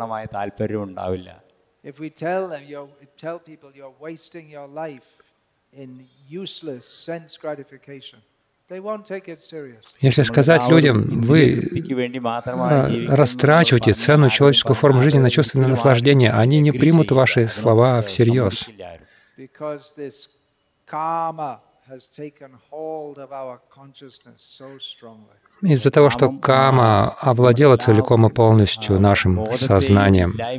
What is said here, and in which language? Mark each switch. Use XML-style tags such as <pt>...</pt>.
<en>If we tell them, tell people you're wasting your life in useless sense gratification, they won't take it seriously.</en> <ru>Если сказать людям, вы растрачиваете цену человеческую форму жизни на чувственное наслаждение, они не примут ваши слова всерьез.</ru> <en>Because this karma has taken hold of our consciousness so strongly.</en> <ru>Из-за того, что карма овладела целиком и полностью нашим сознанием.</ru>